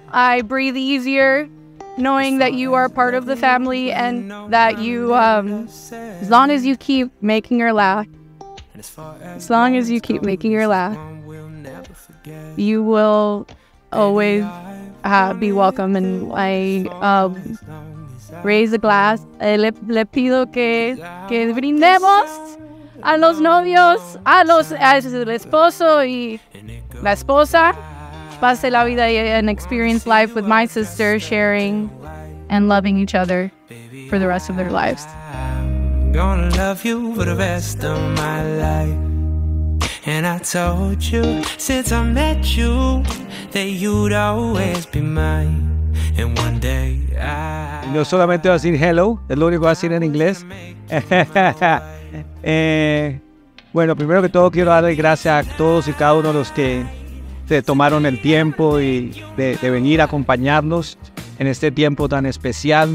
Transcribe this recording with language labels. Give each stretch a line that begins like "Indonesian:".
English: I breathe easier knowing that you are part of the family and that you, as long as you keep making her laugh, as long as you keep making her laugh, you will always be welcome. And I raise a glass.
Spanish: Le pido que brindemos a los novios, a los esposo y la esposa. Pase la vida
English: and experience life with my sister, sharing and loving each other for the rest of their lives. Gonna love you for the rest of my life. And I told you since I met you that you'd always be mine. And one day I.
Spanish: No solamente voy a decir hello, es lo único que voy a decir en inglés. Bueno, primero que todo quiero darle gracias a todos y cada uno de los que se tomaron el tiempo y de venir a acompañarnos en este tiempo tan especial.